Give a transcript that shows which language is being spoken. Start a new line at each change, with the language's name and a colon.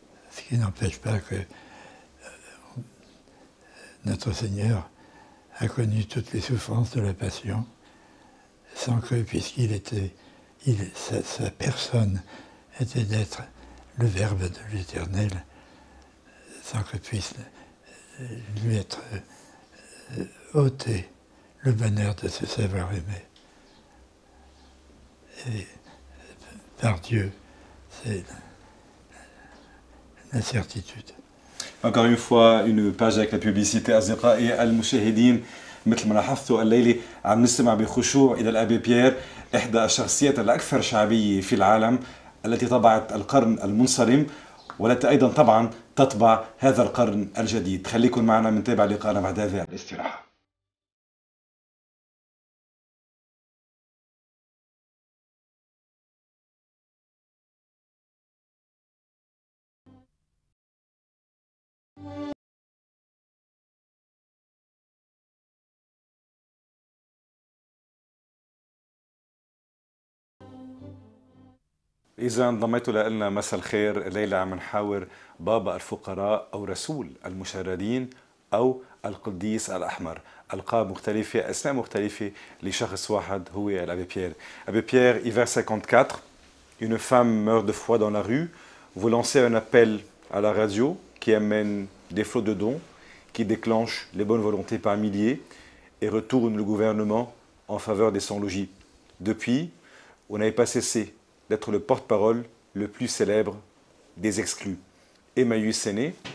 French: Ce qui n'empêche pas que notre Seigneur a connu toutes les souffrances de la Passion, sans que, puisqu'il était, sa personne était d'être le Verbe de l'Éternel, sans que puisse lui être ôté le bonheur de se savoir aimé. Et par Dieu, c'est la certitude. Encore une fois, une page avec la publicité Azraa et Al-Mushahidin.
Arabic: مثل ما لاحظتوا الليلي عم نستمع بخشوع إلى الأبي بيير إحدى الشخصيات الأكثر شعبية في العالم التي طبعت القرن المنصرم والتي أيضا طبعا تطبع هذا القرن الجديد. خليكم معنا منتابع لقاءنا بعد هذه الاستراحة. إذا انضميت لنا مساء الخير ليلى عم نحاور بابا الفقراء أو رسول المشردين أو القديس الأحمر ألقاب مختلفة أسماء مختلفة لشخص واحد هو الأبي بيير.
French: أبي بيير إيفر 54 une femme meurt de froid dans la rue. Vous lancez un appel à la radio qui amène des flots de dons qui déclenchent les bonnes volontés par milliers et retourne le gouvernement en faveur des sans-logis. Depuis, vous n'avez pas cessé d'être le porte-parole le plus célèbre des exclus. Emmaüs est né.